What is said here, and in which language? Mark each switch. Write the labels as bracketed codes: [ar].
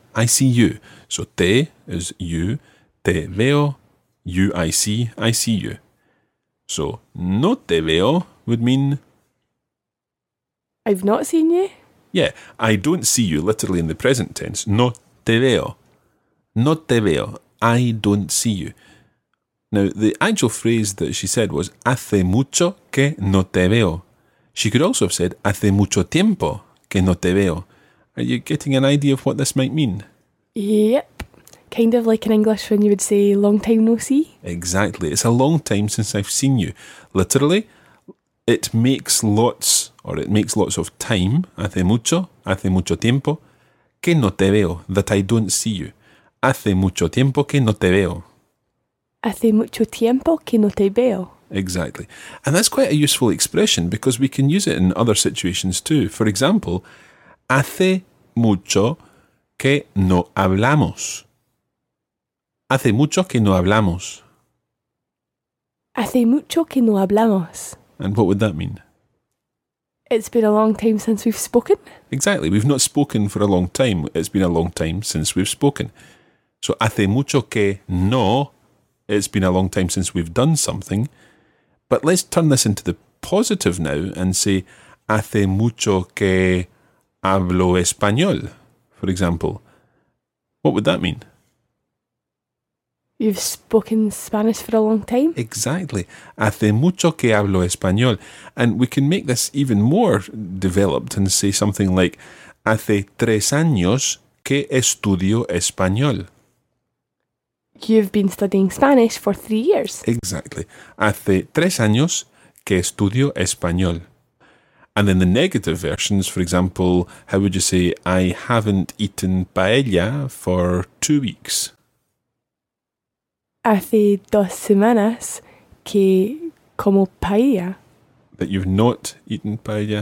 [en] I see you. So, te is you. [es] Te veo, [en] you, I see you. So, [es] no te veo [en] would mean? I've not seen you. Yeah, I don't see you, literally in the present tense. [es] No te veo. No te veo. [en] I don't see you. Now, the actual phrase that she said was, [es] hace mucho que no te veo. [en] She could also have said, [es] hace mucho tiempo que no te veo. [en] Are you getting an idea of what this might mean? Yep. Kind of like in English when you would say, long time no see. Exactly. It's a long time since I've seen you. Literally, it makes lots of time, [es] hace mucho tiempo, que no te veo, [en] that I don't see you. [es] Hace mucho tiempo que no te veo. Hace mucho tiempo que no te veo. [en] Exactly. And that's quite a useful expression because we can use it in other situations too. For example, [es] hace mucho que no hablamos. Hace mucho que no hablamos. Hace mucho que no hablamos. [en] And what would that mean? It's been a long time since we've spoken. Exactly. We've not spoken for a long time. It's been a long time since we've spoken. So, [es] hace mucho que no, [en] it's been a long time since we've done something. But let's turn this into the positive now and say, [es] hace mucho que hablo español, [en] for example. What would that mean? You've spoken Spanish for a long time. Exactly. [es] Hace mucho que hablo español. [en] And we can make this even more developed and say something like, [es] hace tres años que estudio español. [en] You've been studying Spanish for 3 years. Exactly. [es] Hace tres años que estudio español. [en] And then the negative versions, for example, how would you say, I haven't eaten paella for 2 weeks? [es] Hace dos semanas que como paella. [en] That you've not eaten paella?